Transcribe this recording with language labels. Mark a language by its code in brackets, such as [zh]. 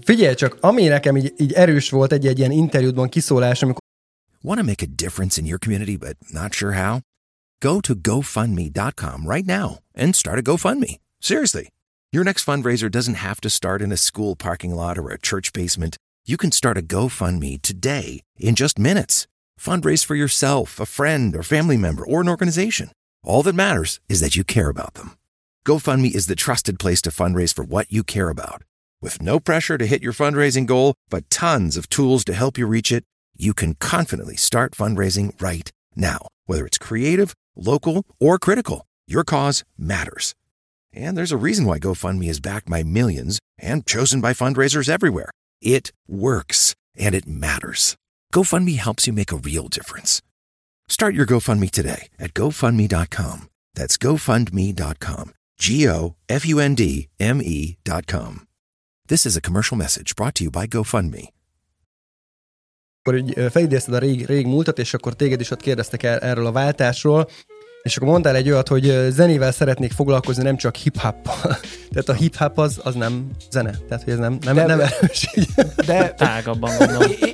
[hu] Figyelj csak, ami nekem így erős volt egy-egy ilyen interjúban kiszólás, amikor... [en] Want to make a difference in your community, but not sure how? Go to GoFundMe.com right now and start a GoFundMe. Seriously. Your next fundraiser doesn't have to start in a school parking lot or a church basement. You can start a GoFundMe today in just minutes. Fundraise for yourself, a friend, or family member, or an organization. All that matters is that you care about them. GoFundMe is the trusted place to fundraise for what you care about. With no pressure to hit your fundraising goal, but tons of tools to help you reach it, you can confidently start fundraising right now. Whether it's creative, local, or critical, your cause matters. And there's a reason why GoFundMe is backed by millions and chosen by fundraisers everywhere. It works, and it matters. GoFundMe helps you make a real difference. Start your GoFundMe today at GoFundMe.com. That's GoFundMe.com. GoFundMe.com. This is a commercial message brought to you by GoFundMe. [hu] Akkor így felidézted a rég múltat, és akkor téged is ott kérdeztek erről a váltásról, és akkor mondtál egy olyat, hogy zenével szeretnék foglalkozni, nem csak hip-hoppal. Tehát a hip-hop az nem zene. Tehát, hogy ez nem erős. De tágabban gondolom.